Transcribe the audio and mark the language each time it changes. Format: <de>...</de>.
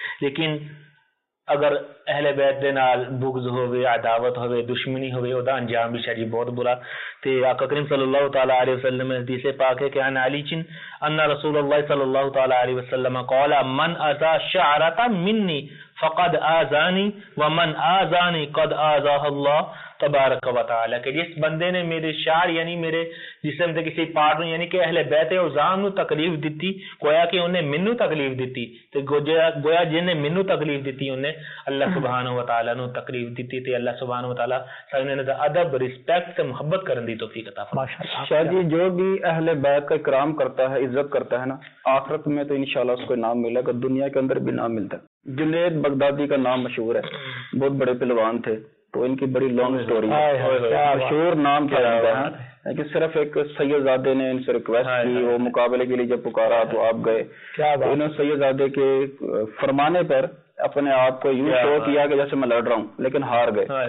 <pa>Lekin اگر اہل بیت دے نال بغض ہوے، عداوت ہوے، دشمنی ہوے، او دا انجام بھی شری بہت برا. تے آقا کریم صلی اللہ تعالی علیہ وسلم نے حدیث پاک ہے کہ</pa> <ar>ان علی چن ان رسول اللہ صلی اللہ تعالی علیہ وسلم قال من اذى شعرۃ منی فقد اذانی ومن اذانی قد اذى اللہ تبارک و تعالی.</ar> <pa>کہ جس بندے نے میرے شعر یعنی میرے جسم دے کسی پارٹ نو، یعنی کہ اہل بیت عزام نو تکلیف دتی، گویا کہ انہیں مینوں تکلیف دتی، تے گویا جن نے مینوں تکلیف دتی انہیں اللہ سبحانہ و تعالی نو تکلیف دتی، تے اللہ سبحانہ و تعالی سب نے دا ادب رسپیکٹ تے محبت کرن دی توفیق عطا فرمائے. ماشاءاللہ.</pa> <ur>شاہ جی، جو بھی اہل بیت کا اکرام کرتا ہے، عزت کرتا ہے نا، آخرت میں تو انشاءاللہ اس کو انعام ملے گا، دنیا کے اندر بھی انعام ملتا ہے. جنید بغدادی کا نام مشہور ہے، بہت بڑے پہلوان تھے، تو ان کی بڑی لانگ سٹوری ہے، مشہور نام کیا ہوتا ہے کہ صرف ایک سید زادے نے ان سے ریکویسٹ کی، وہ مقابلے کے لیے جب پکارا تو آپ گئے، تو انہوں سید زادے کے فرمانے پر اپنے آپ کو یوں شو کیا کہ جیسے میں لڑ رہا ہوں، لیکن ہار گئے.</ur>